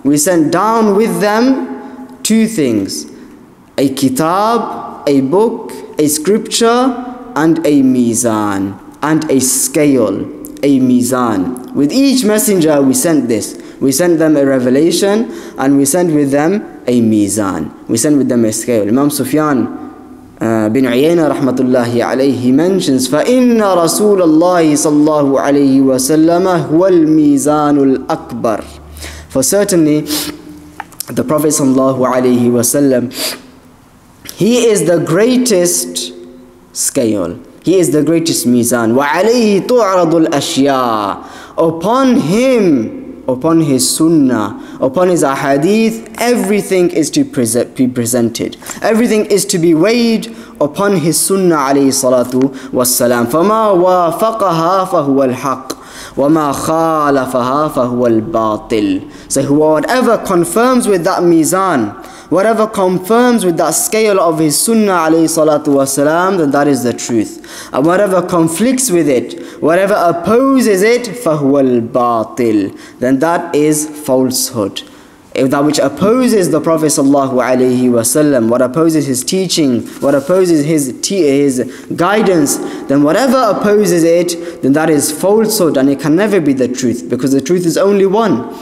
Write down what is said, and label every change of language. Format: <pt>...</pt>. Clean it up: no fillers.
<en>We sent down with them two things. A kitab, a book, a scripture, and a mizan. And a scale, a mizan. With each messenger we sent this. We sent them a revelation and we sent with them a mizan. We sent with them a scale. Imam Sufyan bin Uyayna rahmatullahi alayhi mentions,</en> <ar>فَإِنَّ رَسُولَ اللَّهِ صَلَّى اللَّهُ عَلَيْهِ وَسَلَّمَ هُوَ الْمِيزَانُ الْأَكْبَرُ.</ar> <en>For certainly, the Prophet sallallahu alayhi wa sallam, he is the greatest scale. He is the greatest mizan.</en> <ar>وَعَلَيْهِ تُعْرَضُ الْأَشْيَاءُ.</ar> <en>Upon him, upon his sunnah, upon his ahadith, everything is to be presented. Everything is to be weighed upon his sunnah alayhi salatu wassalam.</en> <ar>فَمَا وَافَقَهَا فَهُوَ الْحَقِّ وَمَا خَالَفَهَا فَهُوَ الْبَاطِلِ.</ar> <en>So whoever confirms with that mizan, whatever confirms with that scale of his sunnah alayhi salatu wasalam, then that is the truth. And whatever conflicts with it, whatever opposes it,</en> <ar>فَهُوَ الْبَاطِلِ,</ar> <en>then that is falsehood. If that which opposes the Prophet sallallahu alayhi wasallam, what opposes his teaching, what opposes his guidance, then whatever opposes it, then that is falsehood and it can never be the truth, because the truth is only one.</en>